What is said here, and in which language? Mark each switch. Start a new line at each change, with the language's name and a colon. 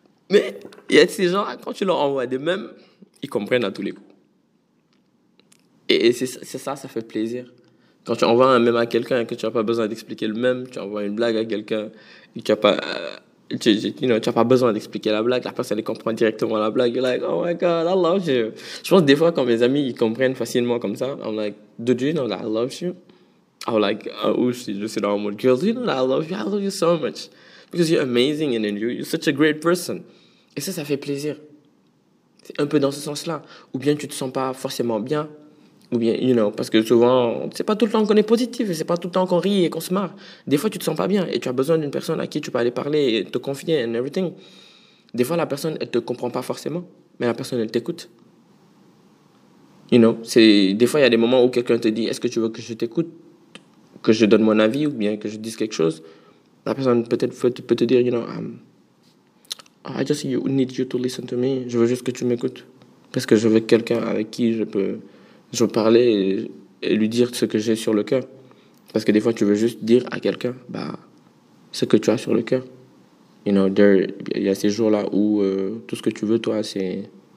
French: Mais il y a ces gens, quand tu leur envoies des mêmes, ils comprennent à tous les coups. Et c'est ça fait plaisir. Quand tu envoies un mème à quelqu'un et que tu n'as pas besoin d'expliquer le mème, tu envoies une blague à quelqu'un et tu n'as pas... Tu as pas besoin d'expliquer la blague, la personne comprend directement la blague.
English: You're like, oh my god, I love you.
French: Je pense que des fois, quand mes amis, ils comprennent facilement comme ça,
English: I'm like, did you know that I love you? I'm like, oh,
French: je suis dans mon girl,
English: do you know that I love you? I love you so much. Because you're amazing and you're such a great person.
French: Et ça fait plaisir. C'est un peu dans ce sens-là. Ou bien tu te sens pas forcément bien. Ou bien,
English: you know,
French: parce que souvent, c'est pas tout le temps qu'on est positif, c'est pas tout le temps qu'on rit et qu'on se marre. Des fois, tu te sens pas bien et tu as besoin d'une personne à qui tu peux aller parler et te confier
English: and everything.
French: Des fois, la personne, elle te comprend pas forcément, mais la personne, elle t'écoute.
English: You know,
French: des fois, il y a des moments où quelqu'un te dit, est-ce que tu veux que je t'écoute, que je donne mon avis ou bien que je dise quelque chose. La personne peut te dire,
English: you know, I just need you to listen to me.
French: Je veux juste que tu m'écoutes parce que je veux quelqu'un avec qui je peux... Je parlais et lui dire ce que j'ai sur le cœur. Parce que des fois, tu veux juste dire à quelqu'un bah, ce que tu as sur le cœur.
English: You know,
French: il y a ces jours-là où tout ce que tu veux, toi, c'est...